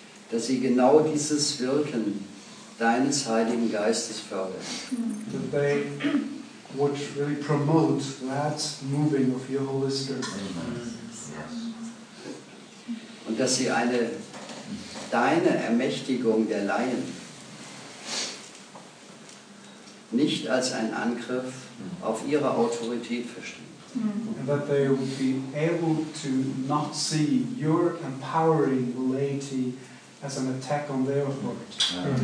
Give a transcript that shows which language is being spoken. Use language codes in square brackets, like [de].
[de] dass sie genau dieses Wirken deines Heiligen Geistes fördern. [en] That they would really promote that moving of your Holy Spirit. Amen. Yes. [de] Und dass sie eine deine Ermächtigung der Laien nicht als einen Angriff auf ihre Autorität verstehen. Mm. [en] And that they would be able to not see your empowering laity as an attack on their authority.